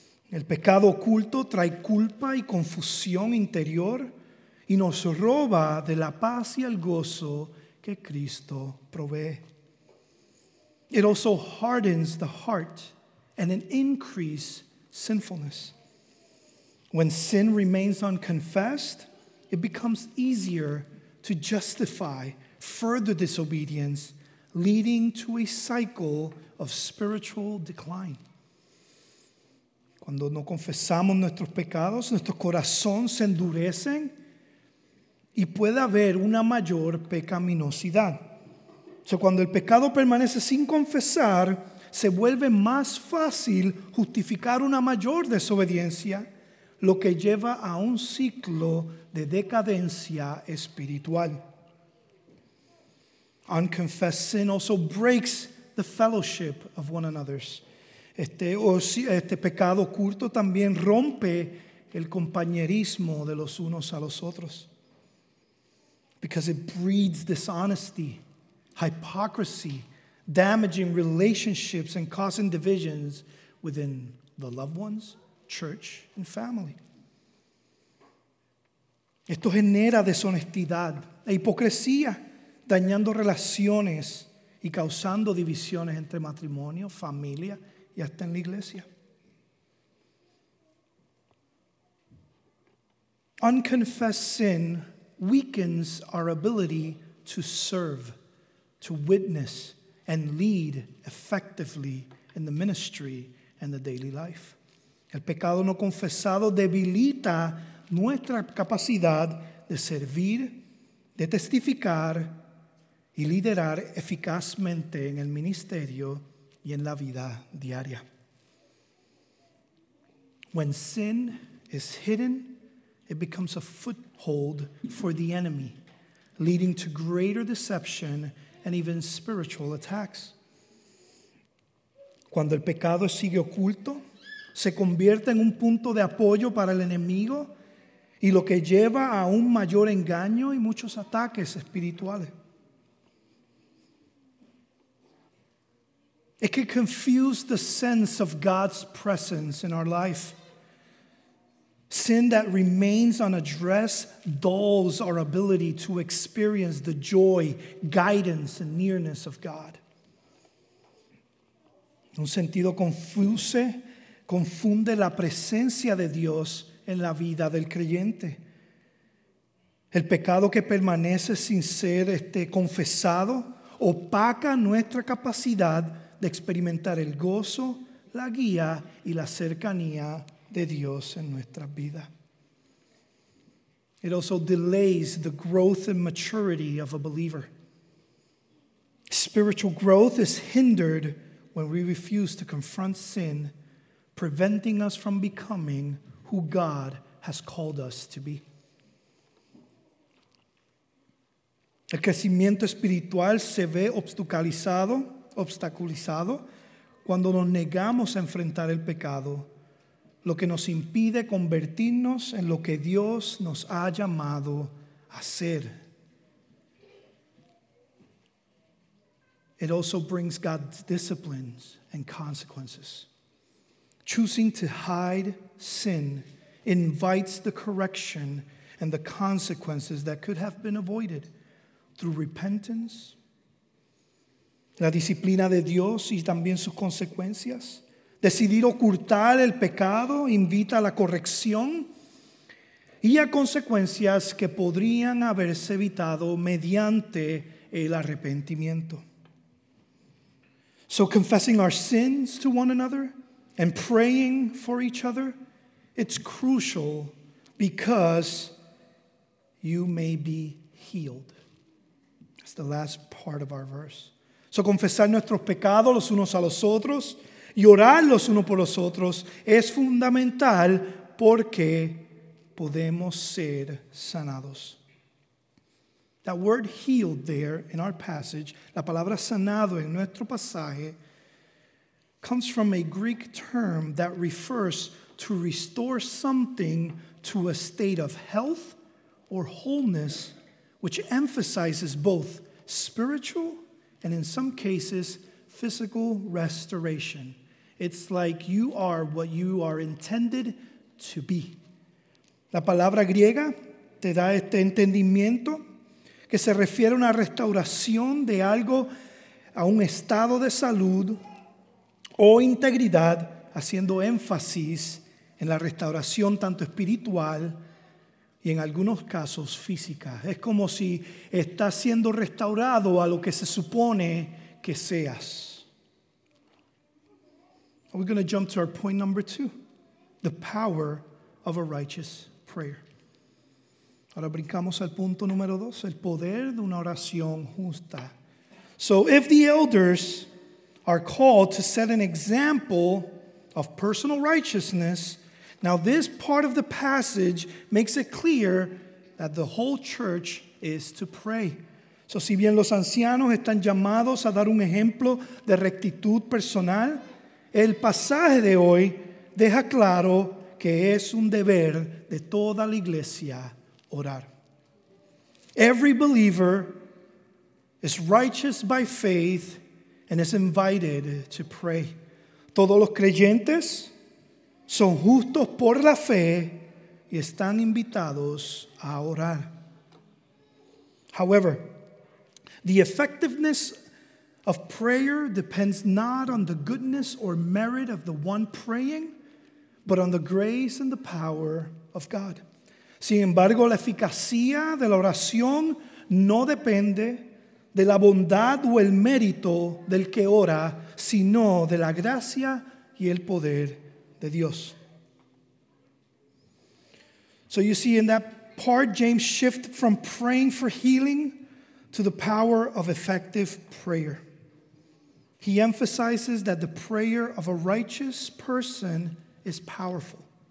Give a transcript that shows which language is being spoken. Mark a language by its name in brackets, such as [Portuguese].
[Spanish] El pecado oculto trae culpa y confusión interior y nos roba de la paz y el gozo que Cristo provee. [English] It also hardens the heart and it increases sinfulness. When sin remains unconfessed, it becomes easier to justify further disobedience, leading to a cycle of spiritual decline. [Spanish] Cuando no confesamos nuestros pecados, nuestro corazón se endurece y puede haber una mayor pecaminosidad. O sea, cuando el pecado permanece sin confesar, se vuelve más fácil justificar una mayor desobediencia, lo que lleva a un ciclo de decadencia espiritual. [English] Unconfessed sin also breaks the fellowship of one another's. [Spanish] Este pecado oculto también rompe el compañerismo de los unos a los otros. [English] Because it breeds dishonesty, hypocrisy, damaging relationships and causing divisions within the loved ones, church, and family. [Spanish] Esto genera deshonestidad e hipocresía, dañando relaciones y causando divisiones entre matrimonio, familia y hasta en la iglesia. [English] Unconfessed sin weakens our ability to serve, to witness, and lead effectively in the ministry and the daily life. [Spanish] El pecado no confesado debilita nuestra capacidad de servir, de testificar y liderar eficazmente en el ministerio y en la vida diaria. [English] When sin is hidden, it becomes a foothold for the enemy, leading to greater deception and even spiritual attacks. [Spanish] Cuando el pecado sigue oculto, se convierte en un punto de apoyo para el enemigo y lo que lleva a un mayor engaño y muchos ataques espirituales. [English] It can confuse the sense of God's presence in our life. Sin that remains unaddressed dulls our ability to experience the joy, guidance, and nearness of God. [Spanish] Un sentido confuso confunde la presencia de Dios en la vida del creyente. El pecado que permanece sin ser confesado opaca nuestra capacidad de experimentar el gozo, la guía y la cercanía de Dios en nuestra vida. [English] It also delays the growth and maturity of a believer. Spiritual growth is hindered when we refuse to confront sin, preventing us from becoming who God has called us to be. [Spanish] El crecimiento espiritual se ve obstaculizado cuando nos negamos a enfrentar el pecado, lo que nos impide convertirnos en lo que Dios nos ha llamado a ser. [English] It also brings God's disciplines and consequences. Choosing to hide sin invites the correction and the consequences that could have been avoided through repentance. [Spanish] La disciplina de Dios y también sus consecuencias. Decidir ocultar el pecado invita a la corrección y a consecuencias que podrían haberse evitado mediante el arrepentimiento. [English] So confessing our sins to one another and praying for each other, it's crucial because you may be healed. That's the last part of our verse. [Spanish] So confesar nuestros pecados los unos a los otros y orar los unos por los otros es fundamental porque podemos ser sanados. [English] That word healed there in our passage, [Spanish] la palabra sanado en nuestro pasaje, [English] comes from a Greek term that refers to restore something to a state of health or wholeness, which emphasizes both spiritual and in some cases physical restoration. It's like you are what you are intended to be. [Spanish] La palabra griega te da este entendimiento que se refiere a una restauración de algo, a un estado de salud o integridad, haciendo énfasis en la restauración tanto espiritual y en algunos casos física. Es como si estás siendo restaurado a lo que se supone que seas. [English] We're going to jump to our point number two, the power of a righteous prayer. [Spanish] Ahora brincamos al punto número dos, el poder de una oración justa. [English] So if the elders are called to set an example of personal righteousness, now this part of the passage makes it clear that the whole church is to pray. [Spanish] So si bien los ancianos están llamados a dar un ejemplo de rectitud personal, el pasaje de hoy deja claro que es un deber de toda la iglesia orar. [English] Every believer is righteous by faith and is invited to pray. [Spanish] Todos los creyentes son justos por la fe y están invitados a orar. [English] However, the effectiveness of prayer depends not on the goodness or merit of the one praying, but on the grace and the power of God. [Spanish] Sin embargo, la eficacia de la oración no depende de la bondad o el mérito del que ora, sino de la gracia y el poder de Dios. [English] So you see, in that part, James shifted from praying for healing to the power of effective prayer. He emphasizes that the prayer of a righteous person is powerful.